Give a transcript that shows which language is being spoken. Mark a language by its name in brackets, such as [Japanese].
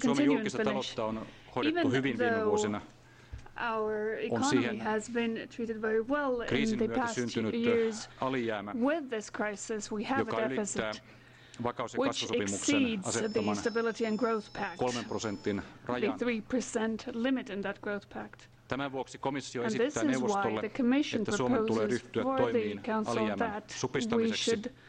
[Finnish] Vaikka Suomen julkista taloutta on hoidettu hyvin viime vuosina, [English] our economy has been treated very well in the past years. [Finnish] Alijäämä, [English] with this crisis, we have a deficit, which exceeds the Stability and Growth Pact, the 3% limit in that growth pact. [Finnish] Tämän vuoksi komissio esittää neuvostolle, että Suomen tulee ryhtyä toimiin alijäämän supistamiseksi.